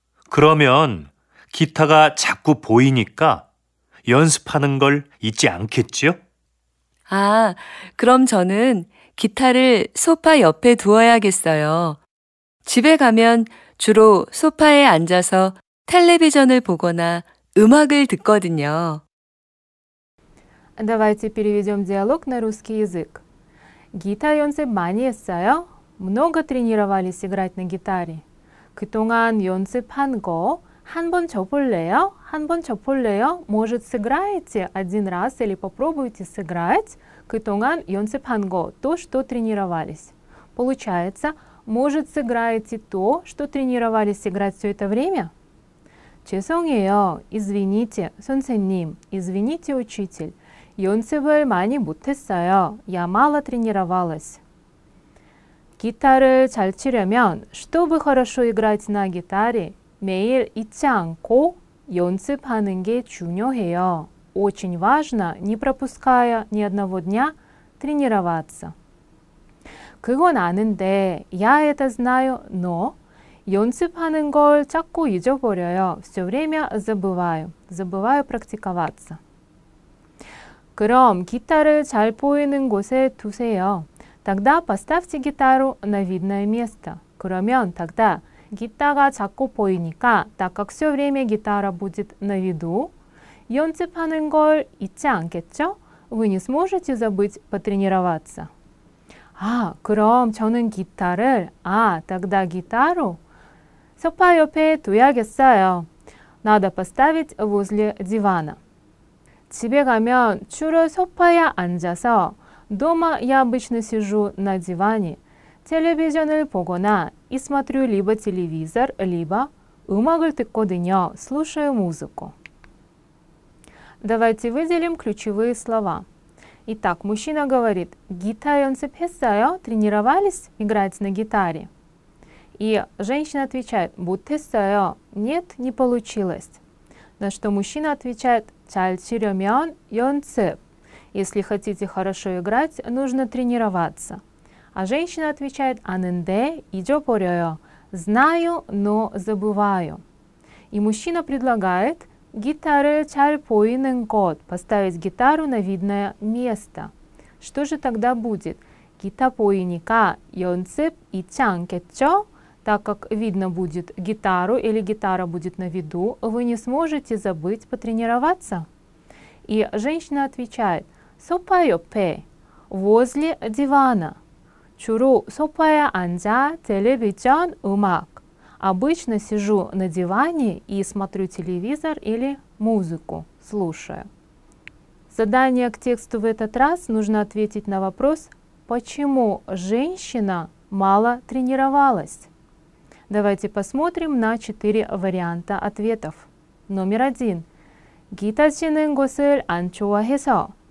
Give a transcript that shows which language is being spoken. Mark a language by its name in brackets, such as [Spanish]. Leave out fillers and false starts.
[Korean] 그러면 기타가 자꾸 보이니까 연습하는 걸 잊지 않겠지요? 아, 그럼 저는 기타를 소파 옆에 두어야겠어요. 집에 가면 주로 소파에 앉아서 텔레비전을 보거나 음악을 듣거든요. [Russian] Давайте переведем диалог на русский язык. [Korean] Гитар 연습 많이 했어요? [Russian] Много тренировались играть на гитаре. [Korean] 그동안 연습한 거 한번 쳐볼래요? 한번 쳐볼래요? [Russian] Может, сыграете один раз или попробуйте сыграть? [Korean] 그동안 연습한 거 [Russian] то, что тренировались. Получается, может, сыграете то, что тренировались играть все это время? [Korean] 죄송해요. [Russian] Извините, [Korean] 선생님. [Russian] Извините, учитель. [Korean] 연습을 많이 못했어요. [Russian] Я мало тренировалась. [Korean] 기타를 잘 치려면, [Russian] чтобы хорошо играть на гитаре, [Korean] 매일 잊지 않고 연습하는 게 중요해요. [Russian] Очень важно, не пропуская ни одного дня, тренироваться. [Korean] 그건 아는데, [Russian] я это знаю, но [Korean] 연습하는 걸 자꾸 잊어버려요. [Russian] Все время забываю. Забываю практиковаться. [Korean] 그럼 기타를 잘 보이는 곳에 두세요. [Russian] Тогда поставьте гитару на видное место. [Korean] 그러면 [Russian] тогда [Korean] 기타가 자꾸 보이니까, [Russian] так как все время гитара будет на виду, [Korean] 연습하는 걸 잊지 않겠죠? [Russian] Вы не сможете забыть потренироваться. [Korean] 아, 그럼 저는 기타를, 아, [Russian] тогда гитару, [Korean] 소파 옆에 둬야겠어요. [Russian] Надо поставить возле дивана. [Korean] 집에 가면 주로 소파에 앉아서, [Russian] Дома я обычно сижу на диване, [Korean] телевизион을 보거나 [Russian] и смотрю либо телевизор, либо [Korean] 음악을 듣거든요, [Russian] слушаю музыку. Давайте выделим ключевые слова. Итак, мужчина говорит: гитару [Korean] 연습했어요? [Russian] Тренировались играть на гитаре? И женщина отвечает: [Korean] 못했어요. [Russian] Нет, не получилось. На что мужчина отвечает: [Korean] 잘 치려면 연습. [Russian] Если хотите хорошо играть, нужно тренироваться. А женщина отвечает: [Korean] 아는데 잊어버려요. [Russian] Знаю, но забываю. И мужчина предлагает: гитару [Korean] 잘 보이는 곳. [Russian] Поставить гитару на видное место. Что же тогда будет? [Korean] 기타 보이니까 연습 있잖겠죠? [Russian] Так как видно будет гитару или гитара будет на виду, вы не сможете забыть потренироваться. И женщина отвечает: [Korean] Сопа ёпэ, [Russian] возле дивана. [Korean] Чуру сопая анджа телевизион умак. [Russian] Обычно сижу на диване и смотрю телевизор или музыку, слушаю. Задание к тексту в этот раз нужно ответить на вопрос: почему женщина мало тренировалась? Давайте посмотрим на 4 варианта ответов. Номер 1. [Korean] 기타 치는 것을 안 좋아해서.